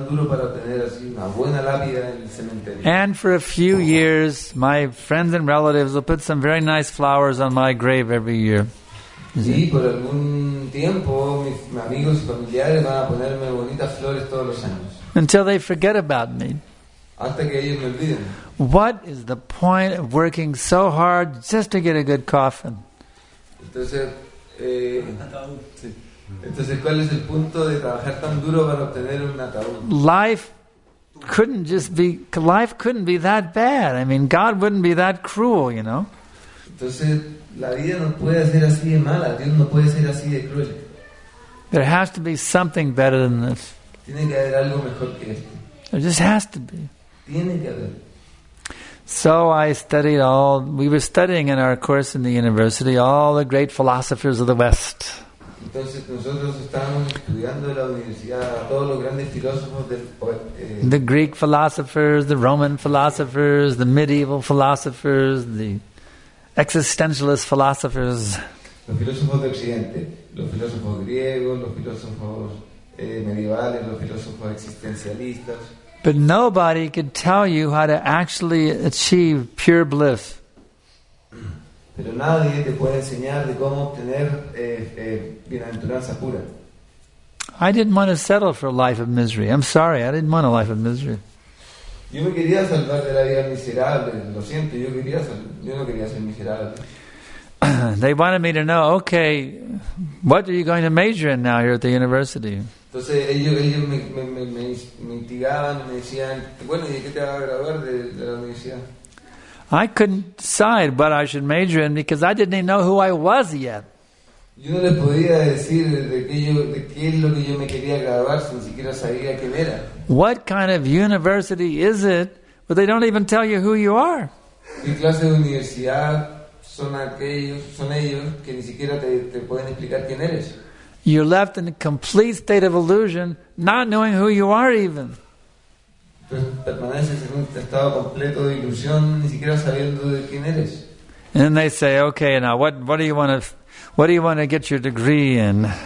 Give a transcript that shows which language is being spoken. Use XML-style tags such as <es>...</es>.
<en>And for a few years, my friends and relatives will put some very nice flowers on my grave every year.</en> <es>Sí, por algún tiempo, mis amigos y familiares van a ponerme bonitas flores todos los años.</es> <en>Until they forget about me.</en> <es>Hasta que ellos me olviden.</es> <en>What is the point of working so hard just to get a good coffin?</en> <es>Entonces, ¿cuál es el punto de trabajar tan duro para obtener un ataúd?</es> <en>Life couldn't be that bad. I mean, God wouldn't be that cruel, you know.</en> <es>Entonces, la vida no puede ser así de mala. Dios no puede ser así de cruel.</es> <en>There has to be something better than this.</en> <es>Tiene que haber algo mejor que esto.</es> <en>There just has to be.</en> <es>Tiene que haber.</es> <en>So I studied all, we were studying in our course in the university, all the great philosophers of the West.</en> <es>Entonces, nosotros estábamos estudiando en la universidad a todos los grandes filósofos del,</es> <en>the Greek philosophers, the Roman philosophers, the medieval philosophers, the existentialist philosophers.</en> <es>Los filósofos de Occidente, los filósofos griegos, los filósofos medievales, los filósofos existencialistas.</es> <en>But nobody could tell you how to actually achieve pure bliss.</en> <es>Pero nadie te puede enseñar de cómo obtener bienaventuranza pura.</es> <en>I didn't want to settle for a life of misery. I'm sorry, I didn't want a life of misery.</en> <es>Yo me quería salvar de la vida miserable. Lo siento, yo no quería ser miserable.</es> <en>They wanted me to know, okay, what are you going to major in now here at the university?</en> <es>Entonces ellos me instigaban, me decían, bueno, ¿y de qué te vas a graduar de la universidad?</es> <en>I couldn't decide what I should major in because I didn't even know who I was yet.</en> <es>Yo no les podía decir de qué es lo que yo me quería graduar si ni siquiera sabía quién era.</es> <en>What kind of university is it? But they don't even tell you who you are.</en> <es>¿Qué clase de universidad son aquellos, son ellos que ni siquiera te pueden explicar quién eres?</es> <en>You're left in a complete state of illusion, not knowing who you are even. And then they say, okay, now what do you want to get your degree in?</en>